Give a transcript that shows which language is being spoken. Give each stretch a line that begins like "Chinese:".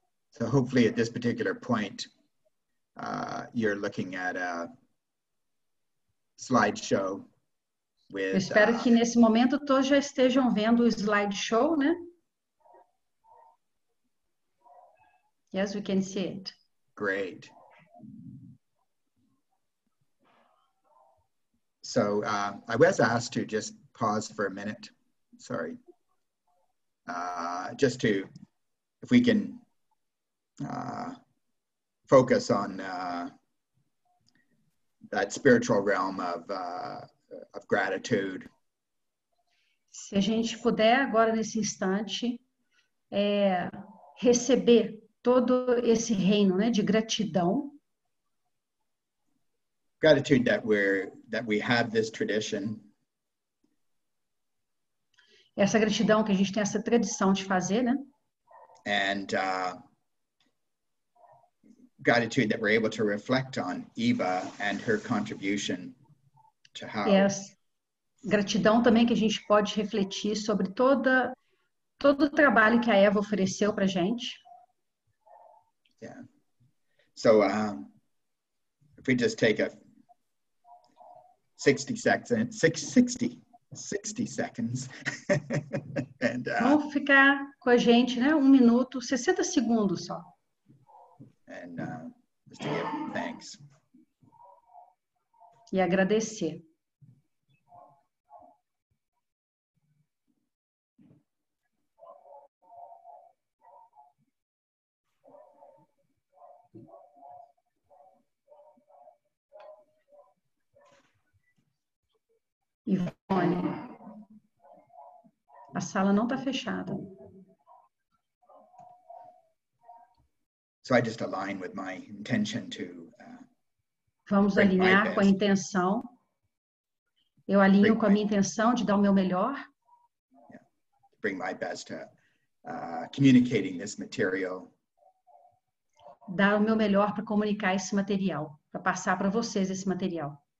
English: So hopefully at this particular point, you're looking at a slideshow with...
Portuguese: Eu espero que nesse momento todos já estejam vendo o slideshow, né?
English: Yes, we can see it. Great. So I was asked to just pause for a minute. Sorry. Just to, if we can focus on that spiritual realm of gratitude.
Portuguese: Se a gente puder agora nesse instante receber todo esse reino, né, de gratidão.
English: Gratitude that we have this tradition.
Portuguese: Essa gratidão que a gente tem essa tradição de fazer, né?
English: And gratitude that we're able to reflect on Eva and her contribution to how. Yes.
Portuguese: Gratidão também que a gente pode refletir sobre todo o trabalho que a Eva ofereceu para a gente.
English: Yeah. So, if we just take a 60 seconds.
Portuguese: And, vamos ficar com a gente, né? Um minuto, 60 segundos só.
English: And just to give thanks.
Portuguese: E agradecer. Ivone, a sala não está fechada.
English: So I just align with my intention to.
Portuguese: Vamos alinhar com a intenção. Eu alinho com a minha intenção de dar o meu melhor.
English: Yeah. Bring my best to communicating this material.
Portuguese: Dar o meu melhor para comunicar esse material, para passar para vocês esse material.